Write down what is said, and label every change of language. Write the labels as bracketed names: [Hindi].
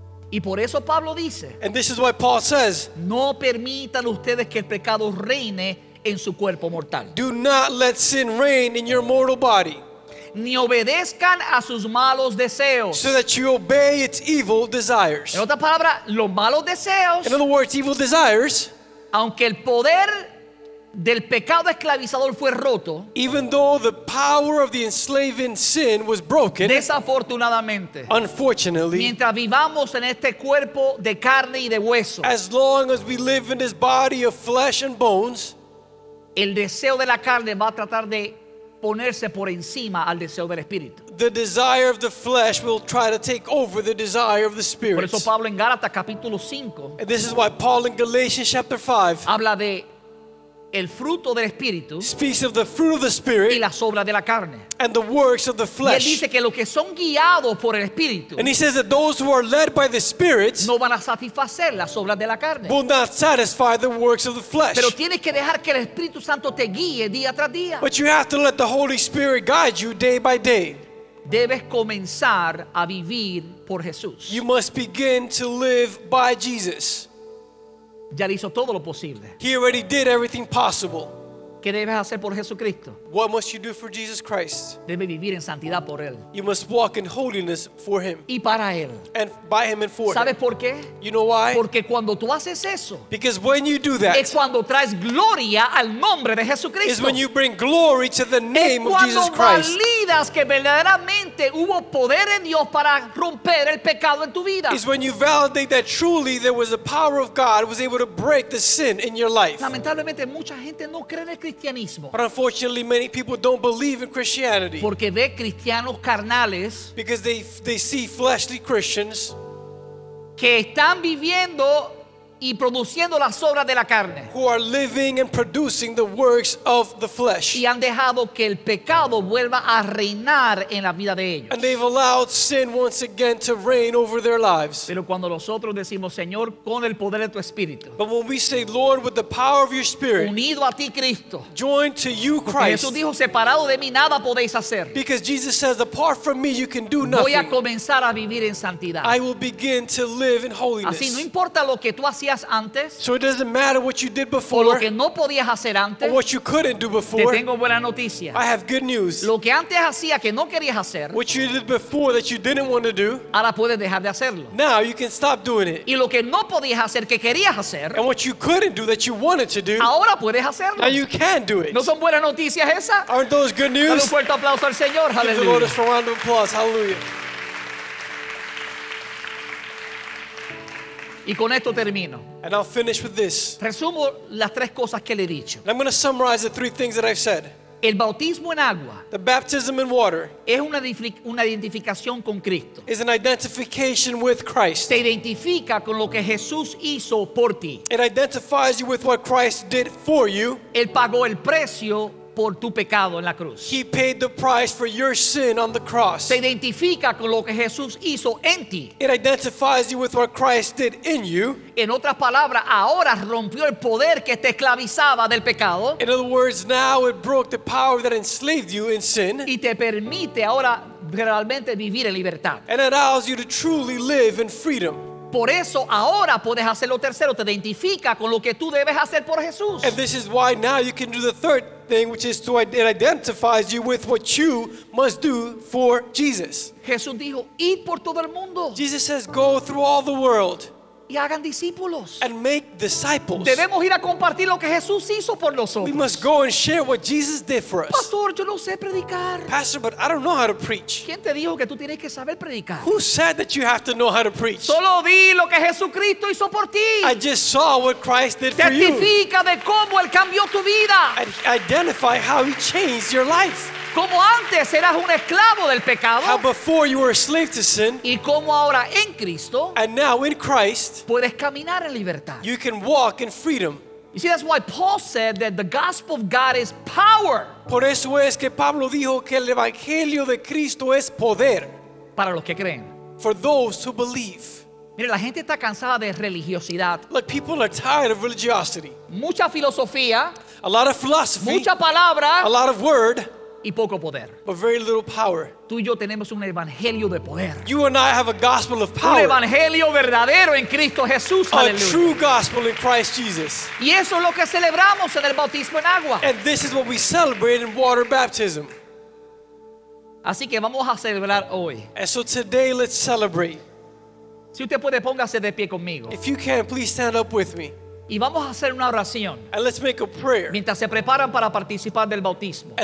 [Spanish] Y por eso Pablo dice, [English] and this is why Paul says, [Spanish] no permitan ustedes que el pecado reine en su cuerpo mortal. [English] Do not let sin reign in your mortal body. [Spanish] Ni obedezcan a sus malos deseos. [English] So that you obey its evil desires. [Spanish] En otra palabra, los malos deseos. [English] In other words, evil desires. [Spanish] Aunque el poder del pecado esclavizador fue roto. [English] Even though the power of the enslaving sin was broken. [Spanish] Desafortunadamente. [English] Unfortunately. [Spanish] Mientras vivamos en este cuerpo de carne y de hueso. [English] As long as we live in this body of flesh and bones. [Spanish] El deseo de la carne va a tratar de ponerse por encima al deseo del espíritu. [English] The desire of the flesh will try to take over the desire of the spirit. [Spanish] Por eso Pablo en Gálatas capítulo 5. [English] And this is why Paul in Galatians chapter 5. [Spanish] Habla de el fruto del espíritu. [English] Speaks of the fruit of the spirit. [Spanish] Y las obras de la carne. [English] And the works of the flesh. [Spanish] Y él dice que los que son guiados por el espíritu. [English] And he says that those who are led by the spirit. [Spanish] No van a satisfacer las obras de la carne. [English] Will not satisfy the works of the flesh. [Spanish] Pero tienes que dejar que el Espíritu Santo te guíe día tras día. [English] But you have to let the Holy Spirit guide you day by day. [Spanish] Debes comenzar a vivir por Jesús. [English] You must begin to live by Jesus. [Spanish] Ya le hizo todo lo posible. [English] He already did everything possible. [Spanish] ¿Qué debes hacer por Jesucristo? [English] What must you do for Jesus Christ? [Spanish] Debes vivir en santidad por él. [English] You must walk in holiness for him. [Spanish] Y para él. [English] And by him and for [Spanish] ¿sabes [English] him. [Spanish] ¿Sabes por qué? [English] You know why? [Spanish] Porque cuando tú haces eso. [English] Because when you do that. [Spanish] Es cuando traes gloria al nombre de Jesucristo. [English] Is when you bring glory to the name of Jesus Christ. [Spanish] Es cuando validas que verdaderamente hubo poder en Dios para romper el pecado en tu vida. [English] Is when you validate that truly there was a power of God was able to break the sin in your life. [Spanish] Lamentablemente mucha gente no cree en el cristianismo. [English] But unfortunately many people don't believe in Christianity [Spanish] porque ve cristianos carnales, [English] because they see fleshly Christians [Spanish] que están viviendo y produciendo las obras de la carne, [English] who are living and producing the works of the flesh, [Spanish] y han dejado que el pecado vuelva a reinar en la vida de ellos, [English] and they've allowed sin once again to reign over their lives. [Spanish] Pero cuando nosotros decimos Señor con el poder de tu espíritu, [English] but when we say Lord with the power of your spirit, [Spanish] unido a ti Cristo, [English] joined to you Christ, [Spanish] Jesús dijo separado de mí nada podéis hacer, [English] because Jesus says apart from me you can do nothing, [Spanish] voy a comenzar a vivir en santidad, [English] I will begin to live in holiness. [Spanish] Así no importa lo que tú has antes, [English] so it doesn't matter what you did before, [Spanish] lo que no podías hacer antes, [English] or what you couldn't do before. [Spanish] Te tengo buena noticia. [English] I have good news. [Spanish] Lo que antes hacía que no querías hacer, [English] what you did before that you didn't want to do, [Spanish] ahora puedes dejar de hacerlo. [English] Now you can stop doing it. [Spanish] Y lo que no podías hacer que querías hacer, [English] and what you couldn't do that you wanted to do, [Spanish] ahora puedes hacerlo. [English] Now you can do it. [Spanish] ¿No son buenas noticias esas? [English] Aren't those good news? [Spanish] Un fuerte aplauso al Señor. Hallelujah. [English] Give the Lord a round of applause. Hallelujah. [Spanish] Y con esto termino. [English] And I'll finish with this. [Spanish] Resumo las tres cosas que le he dicho. [English] I'm going to summarize the three things that I've said. [Spanish] El bautismo en agua. [English] The baptism in water. [Spanish] Es una identificación con Cristo. [English] Is an identification with Christ. [Spanish] Te identifica con lo que Jesús hizo por ti. [English] It identifies you with what Christ did for you. [Spanish] Él pagó el precio por tu pecado en la cruz. [English] He paid the price for your sin on the cross. [Spanish] Se identifica con lo que Jesús hizo en ti. [English] It identifies you with what Christ did in you. [Spanish] En otras palabras, ahora rompió el poder que te esclavizaba del pecado. [English] In other words, now it broke the power that enslaved you in sin. [Spanish] Y te permite ahora realmente vivir en libertad. [English] And it allows you to truly live in freedom. [Spanish] Por eso ahora puedes hacer lo tercero, te identifica con lo que tú debes hacer por Jesús. [English] And this is why now you can do the third thing, which is to identify you with what you must do for Jesus. [Spanish] Jesús dijo, "Id por todo el mundo." [English] Jesus says, "Go through all the world." [Spanish] Y hagan discípulos. [English] And make disciples. [Spanish] Debemos ir a compartir lo que Jesús hizo por nosotros. [English] We must go and share what Jesus did for us. [Spanish] Pastor, yo no sé predicar. [English] Pastor, but I don't know how to preach. [Spanish] ¿Quién te dijo que tú tienes que saber predicar? [English] Who said that you have to know how to preach? [Spanish] Solo di lo que Jesucristo hizo por ti. [English] I just saw what Christ did for you. [Spanish] Testifica de cómo él cambió tu vida. [English] And identify how he changed your life. [Spanish] Como antes eras un esclavo del pecado. [English] How before you were a slave to sin. [Spanish] Y como ahora en Cristo. [English] And now in Christ. [Spanish] Puedes caminar en libertad. [English] You can walk in freedom. You see, that's why Paul said that the gospel of God is power. [Spanish] Por eso es que Pablo dijo que el evangelio de Cristo es poder. Para los que creen. [English] For those who believe. [Spanish] Mire, la gente está cansada de religiosidad. [English] Look, people are tired of religiosity. [Spanish] Mucha filosofía. [English] A lot of philosophy. [Spanish] Mucha palabra. [English] A lot of word. [Spanish] Y poco poder. [English] But very little power. [Spanish] Tú y yo tenemos un evangelio de poder. [English] You and I have a gospel of power. [Spanish] Un evangelio verdadero en Cristo Jesús. [English] A true gospel in Christ Jesus. [Spanish] Y eso es lo que celebramos en el bautismo en agua. [English] And this is what we celebrate in water baptism. [Spanish] Así que vamos a celebrar hoy. [English] And so today let's celebrate. [Spanish] Si usted puede, póngase de pie conmigo. [English] If you can, please stand up with me. [Spanish] Y vamos a hacer una oración. [English] And let's make a prayer. [Spanish] Mientras se preparan para participar del bautismo.